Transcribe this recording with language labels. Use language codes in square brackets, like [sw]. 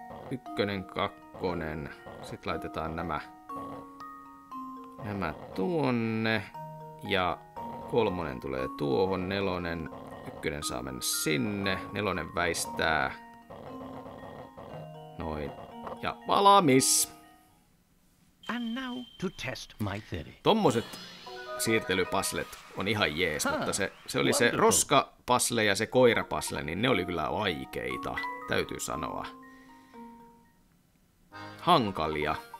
[fi] Ykkönen, kakkonen. Sitten laitetaan nämä tuonne. Ja kolmonen tulee tuohon, nelonen, ykkönen saa mennä sinne, nelonen väistää. Noin. Ja valmis! [en] And now to test my theory. [fi] Tommoset siirtelypaslet on ihan jees, mutta se oli wonderful. Se roskapasle ja se koirapasle, niin ne oli kyllä vaikeita, täytyy sanoa. Hankalia.